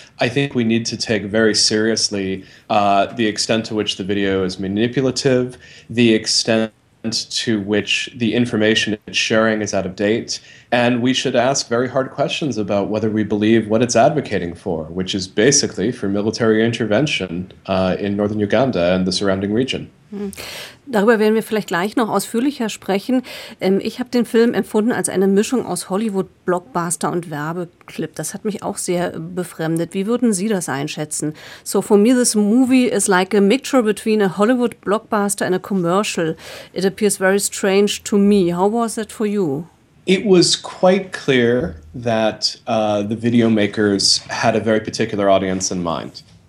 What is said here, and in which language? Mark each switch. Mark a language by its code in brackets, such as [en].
[en] I think we need to take very seriously the extent to which the video is manipulative, the extent to which the information it's sharing is out of date, and we should ask very hard questions about whether we believe what it's advocating for, which is basically for military intervention in northern Uganda and the surrounding region. [de] Darüber werden wir vielleicht gleich noch ausführlicher sprechen. Ich habe den Film empfunden als eine Mischung aus Hollywood-Blockbuster und Werbeclip. Das hat mich auch sehr befremdet. Wie würden Sie das einschätzen? [en] So for me, this movie is like a mixture between a Hollywood-Blockbuster and a commercial. It appears very strange to me. How was it for you? It was quite clear that the video makers had a very particular audience in mind.